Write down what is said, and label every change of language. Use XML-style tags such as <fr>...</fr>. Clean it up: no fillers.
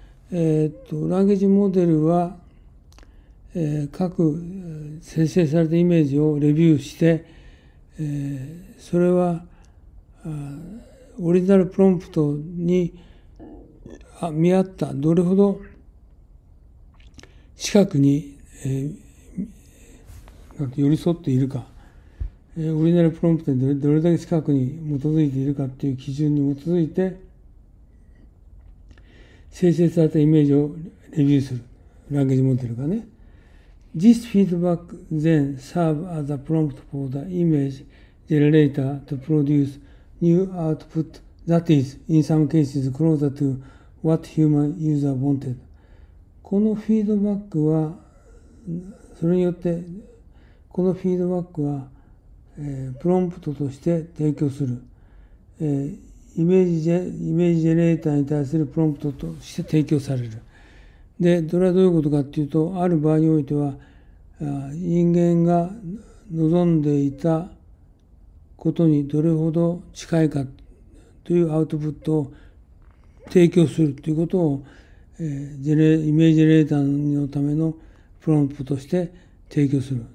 <ja>ランゲージモデルは、各生成されたイメージをレビューして、それは、オリジナルプロンプトに見合った、どれほど近くに、寄り添っているか。オリジナルプロンプトでどれだけ近くに基づいているかっていう基準に基づいて生成されたイメージをレビューするランゲージモデルがね。</ja> <en>This feedback then serve as a prompt for the image generator to produce new output that is in some cases closer to what human user wanted。</en> <ja>このフィードバックは、それによってこのフィードバックはプロンプトとして提供する、イメージジェネレーターに対するプロンプトとして提供される。で、それはどういうことかっていうと、ある場合においては人間が望んでいたことにどれほど近いかというアウトプットを提供するということを、イメージジェネレーターのためのプロンプトとして提供する。</ja>